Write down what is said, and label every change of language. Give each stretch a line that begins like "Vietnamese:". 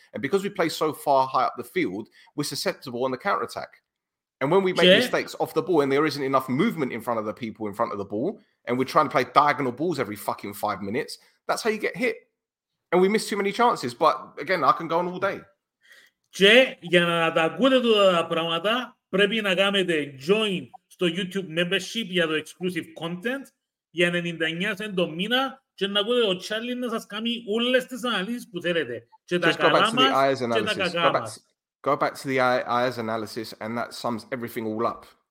English: And because we play so far high up the field, we're susceptible on the counterattack. And when we make mistakes off the ball and there isn't enough movement in front of the people in front of the ball, and we're trying to play diagonal balls every fucking 5 minutes, that's how you get hit. And we miss too many chances. But again, I can go on all day.
Greek: Και για να τα ακούτε τα πράγματα, πρέπει να κάνετε join στο YouTube membership για το exclusive content για 99 cent το μήνα και να ακούτε ο Charlie να σας κάνει όλες τις αναλύσεις που θέλετε.
English: Just go back to the IS analysis. Go back to the IS analysis and that sums everything all up.